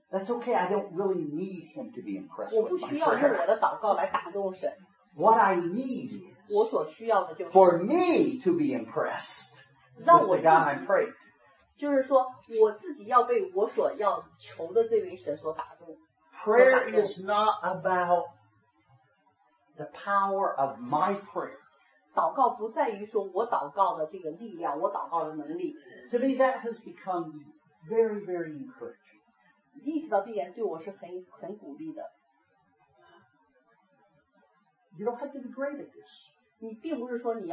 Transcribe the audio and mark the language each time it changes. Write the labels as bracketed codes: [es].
[en] That's okay, I don't really need him to be impressed with my prayer. [zh] 我不需要用我的祷告来打动神。 [en] What I need is [zh] 我所需要的就是, [en] for me to be impressed [zh] 让我自己, [en] with the God I pray to. [zh] 就是说我自己要被我所要求的这位神所打动。 [en] Prayer is not about the power of my prayer. [zh] 祷告不在于说我祷告的这个力量，我祷告的能力。 [en] To me, that has become very, very encouraging. [zh] 意识到这点对我是很鼓励的。 [en] You don't have to be great at this.